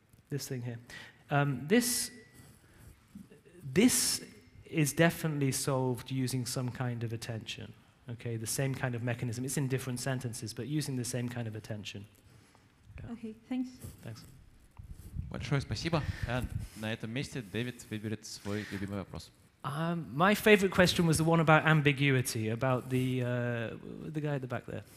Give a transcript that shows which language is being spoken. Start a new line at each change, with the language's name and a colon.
English: This thing here. This is definitely solved using some kind of attention, okay? The same kind of mechanism. It's in different sentences, but using the same kind of attention. Yeah. Okay, thanks.
Russian: Большое спасибо. На этом месте Дэвид выберет свой любимый вопрос.
English: My favorite question was the one about ambiguity, about the guy at the back there.